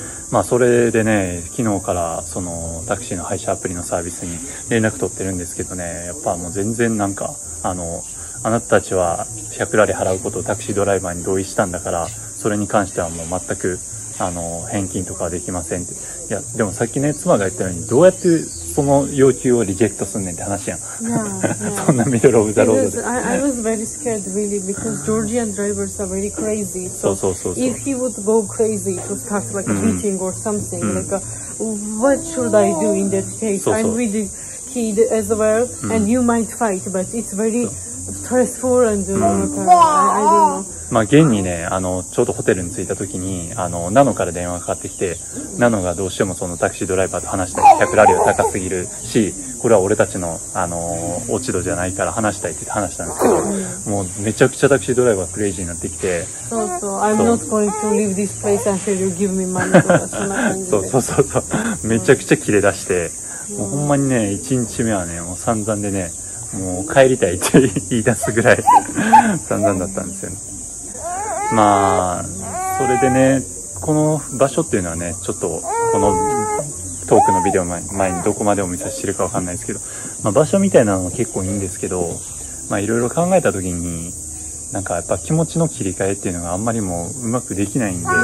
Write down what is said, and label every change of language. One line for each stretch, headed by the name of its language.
Japanese: まあそれでね、昨日からそのタクシーの配車アプリのサービスに連絡取ってるんですけどね、やっぱもう全然なんかあなたたちは100ラリ払うことをタクシードライバーに同意したんだから、それに関してはもう全く返金とかはできませんって。いやでもさっきね、妻が言ったようにどうやってその要求をリジェクトすんねんって話やん。
English: yeah, yeah.
Japanese: そんな
English: ミドルオブザロード
Japanese: で、
English: I was very scared really because Georgian drivers are very crazy.
Japanese: So, そうそうそうそう、
English: if he would go crazy to start like beating or something、うん、like a, what should I do in that case?
Japanese: そうそう、
English: I'm with the kid as well、うん、and you might fight but it's very stressful and、うん、I don't know。
Japanese: まあ、現にね、ちょうどホテルに着いた時に、ナノから電話がかかってきて、ナノがどうしてもそのタクシードライバーと話したい。 100ラリは高すぎるし、これは俺たちの、落ち度じゃないから話したいって話したんですけど、もうめちゃくちゃタクシードライバークレイジーになってきて。そうそう、
English: I'm not going to leave this place until you give me money.
Japanese: そうそうそうそう。めちゃくちゃキレ出して、もうほんまにね、1日目はね、もう散々でね、もう帰りたいって言い出すぐらい散々だったんですよね。まあそれでね、この場所っていうのはね、ちょっとこのトークのビデオ前にどこまでお見せしてるかわかんないですけど、まあ場所みたいなのは結構いいんですけど、まあいろいろ考えた時に、なんかやっぱ気持ちの切り替えっていうのがあんまりもううまくできないんで、